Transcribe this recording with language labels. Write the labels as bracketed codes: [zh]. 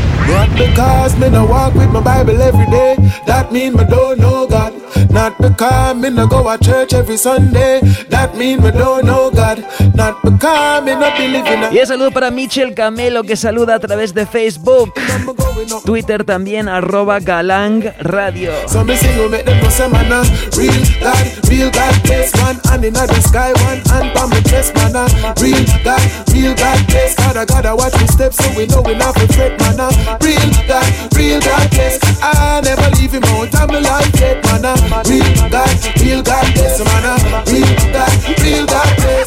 [en] Not because me no walk with my Bible every day, that mean me don't know God. Not because me no go to church every Sunday, that mean me don't know God. Not because me no believe in [es] a... Y un saludo para Michel Camelo, que saluda a través de Facebook, Twitter también, arroba Galang Radio. [en] So me sing, make them say, man, real God, bless, man. And in the sky, one hand on my chest, man. Real God, bless. God, I gotta watch my steps, so we know we not for threat, man. Real God bless. I never leave him out of my life yet, man. Real God bless, man. Real God bless.